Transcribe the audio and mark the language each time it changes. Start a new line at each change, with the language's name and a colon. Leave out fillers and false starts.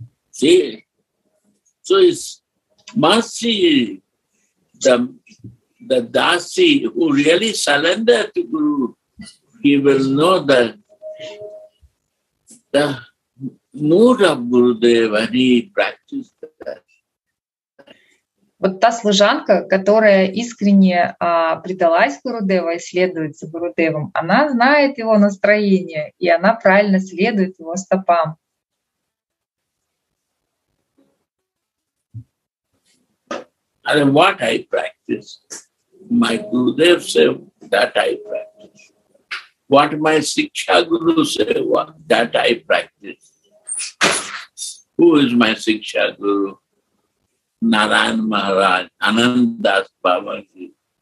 English: See, so it's Masi, the Dasi who really surrender to Guru, he will know the mood of Gurudev when he practices that.
Russian: Вот та служанка, которая искренне предалась Гурудеву и следует за Гурудевом, она знает его настроение, и она правильно следует его стопам.
English: And what I practice, my Gurudev said, that I practice. What my Siksha Guru said, that I practice. Who is my Siksha Guru? Narayan Maharaj, Anandas Babaji.